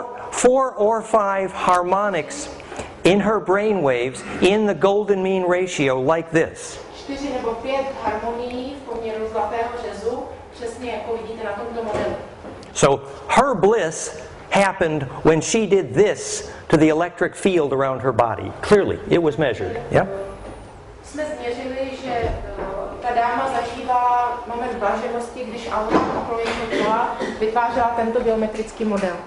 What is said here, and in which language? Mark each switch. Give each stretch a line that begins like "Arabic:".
English: Four or five harmonics in her brainwaves in the golden mean ratio like this.
Czech: 4 nebo 5 harmonií v poměru zlatého řezu, přesně jako vidíte na tomto modelu.
English: So her bliss happened when she did this to the electric field around her body. Clearly, it was measured. Yeah?
Czech: Jsme změřili, že ta dáma zažívá moment blaženosti, když auto okolo jejího těla vytvářela tento geometrický model.